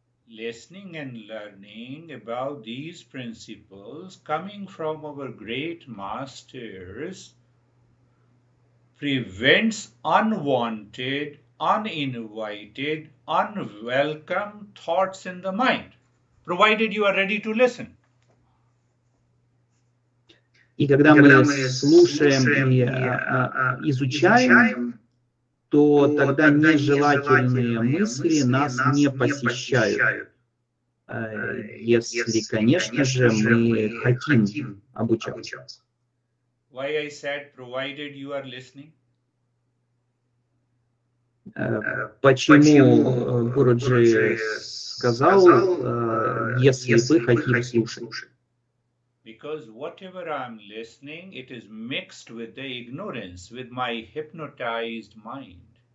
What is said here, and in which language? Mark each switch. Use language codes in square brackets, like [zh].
[en] Listening and learning about these principles coming from our great masters prevents unwanted, uninvited, unwelcome thoughts in the mind, provided you are ready to listen. [ru] И когда мы слушаем и изучаем, то тогда нежелательные мысли нас не посещают. Если, конечно же, мы хотим обучаться. [en] Why I said, provided you are listening? [ru] Почему Гуруджи сказал, если вы хотите слушать? [en] Because whatever I'm listening, it is mixed with the ignorance, with my hypnotized mind.